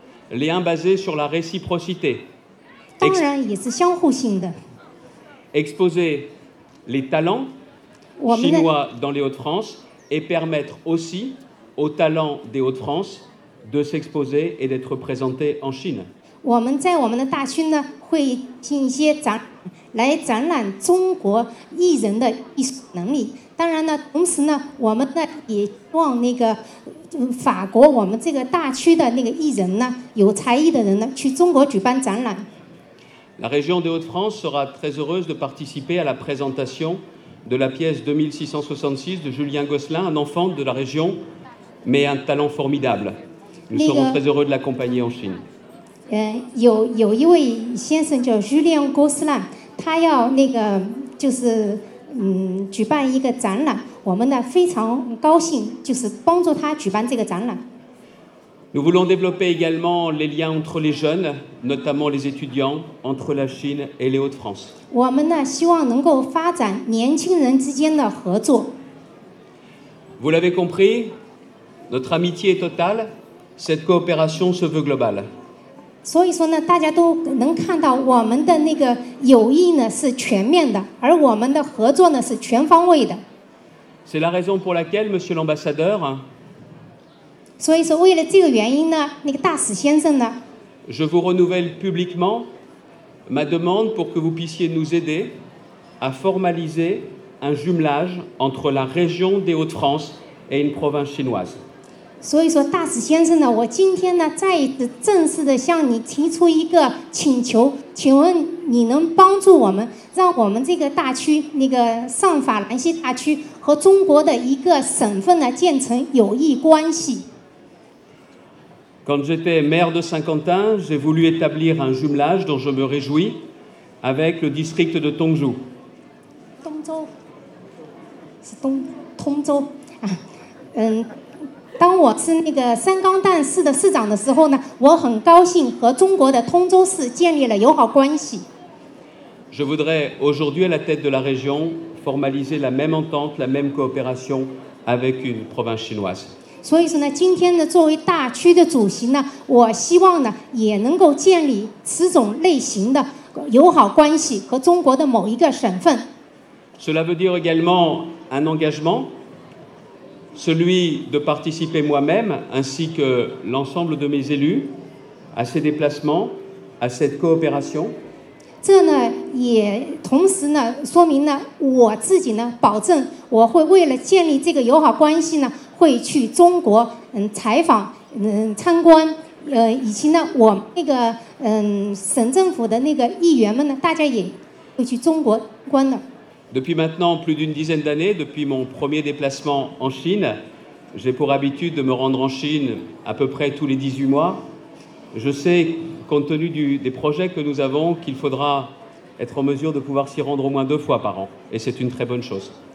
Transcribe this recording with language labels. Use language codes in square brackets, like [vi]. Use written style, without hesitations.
[fr] Liens basés sur la réciprocité. [zh] 当然也是相互性的。 [fr] Exposer les talents chinois dans les Hauts-de-France et permettre aussi aux talents des Hauts-de-France de s'exposer et d'être présentés en Chine. [zh] 我们在我们的大区呢，会进一些展，来展览中国艺人的艺术能力。当然呢，同时呢，我们呢也望那个法国，我们这个大区的那个艺人呢，有才艺的人呢，去中国举办展览。 [fr] La région des Hauts-de-France sera très heureuse de participer à la présentation de la pièce 2666 de Julien Gosselin, un enfant de la région, mais un talent formidable. Nous serons très heureux de l'accompagner en Chine. [zh] 有一位先生叫 Julien Gosselin， 他要那个就是。举办一个展览，我们呢非常高兴，就是帮助他举办这个展览。 [fr] Nous voulons développer également les liens entre les jeunes, notamment les étudiants, entre la Chine et les Hauts-de-France. [zh] 我们呢希望能够发展年轻人之间的合作。 [fr] Vous l'avez compris, notre amitié est totale. Cette coopération se veut globale. [zh] 所以说呢，大家都能看到我们的那个友谊呢是全面的，而我们的合作呢是全方位的。 [fr] C'est la raison pour laquelle, Monsieur l'Ambassadeur. [zh] 所以说，为了这个原因呢，那个大使先生呢。 [fr] Je vous renouvelle publiquement ma demande pour que vous puissiez nous aider à formaliser un jumelage entre la région des Hauts-de-France et une province chinoise. [zh] 所以说，大使先生呢，我今天呢，再一次正式的向你提出一个请求，请问你能帮助我们，让我们这个大区，那个上法兰西大区和中国的一个省份呢，建成友谊关系。 [fr] Quand j'étais maire de Saint-Quentin, j'ai voulu établir un jumelage dont je me réjouis avec le district de Tongzhou. [zh] 通州，是通州当我是那个三江淡市的市长的时候呢，我很高兴和中国的通州市建立了友好关系。 [fr] Je voudrais aujourd'hui à la tête de la région formaliser la même entente, la même coopération avec une province chinoise. [zh] 所以说呢，今天呢，作为大区的主席呢，我希望呢也能够建立此种类型的友好关系和中国的某一个省份。 [fr] Cela veut dire également un engagement. Celui de participer moi-même, ainsi que l'ensemble de mes élus, à ces déplacements, à cette coopération. [zh] 这呢也同时呢说明呢我自己呢保证我会为了建立这个友好关系呢会去中国采访参观以及呢我那个省政府的那个议员们呢大家也会去中国参观的。 [fr] Depuis maintenant plus d'une dizaine d'années, depuis mon premier déplacement en Chine, j'ai pour habitude de me rendre en Chine à peu près tous les 18 mois. Je sais, compte tenu des projets que nous avons, qu'il faudra être en mesure de pouvoir s'y rendre au moins deux fois par an. Et c'est une très bonne chose.